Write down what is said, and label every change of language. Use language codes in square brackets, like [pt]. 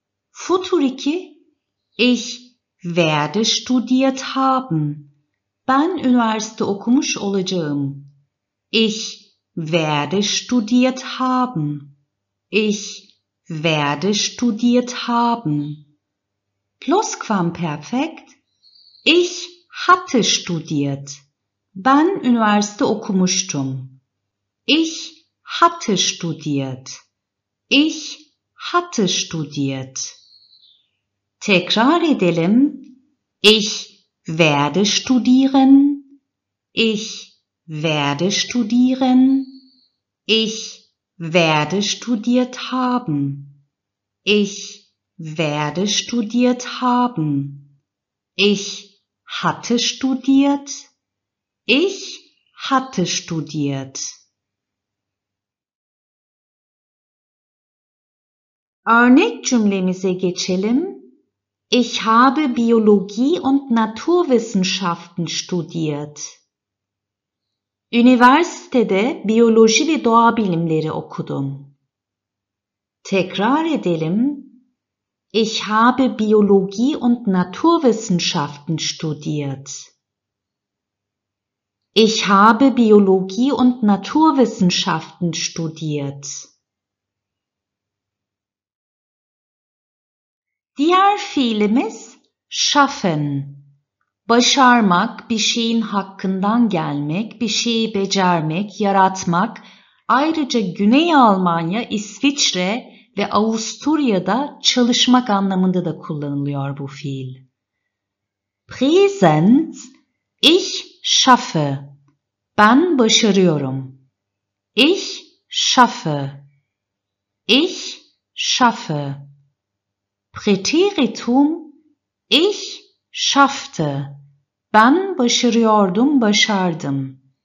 [de] Futur iki, ich werde studiert haben. [tr] Ben üniversite okumuş olacağım. [de] Ich werde studiert haben. Ich werde studiert haben. Plusquamperfekt. Ich hatte studiert. [tr] Ben üniversite okumuştum. [de] Ich hatte studiert. Ich hatte studiert. [tr] Tekrar edelim. [de] Ich werde studieren. Ich werde studieren. Ich werde studiert haben. Ich werde studiert haben. Ich hatte studiert. Ich hatte studiert. [tr] Örnek cümlemize geçelim. [de] Ich habe Biologie und Naturwissenschaften studiert. [tr] Üniversitede biyoloji ve doğa bilimleri okudum. Tekrar edelim. [de] Ich habe Biologie und Naturwissenschaften studiert. Ich habe Biologie und Naturwissenschaften studiert. [tr] Diğer fiilimiz schaffen. Başarmak, bir şeyin hakkından gelmek, bir şeyi becermek, yaratmak. Ayrıca Güney Almanya, İsviçre ve Avusturya'da çalışmak anlamında da kullanılıyor bu fiil. [de] Präsent, ich schaffe. [tr] Ben başarıyorum. [de] Ich schaffe. Ich schaffe. Präteritum, ich schaffte. [tr] Ben başarıyordum, başardım.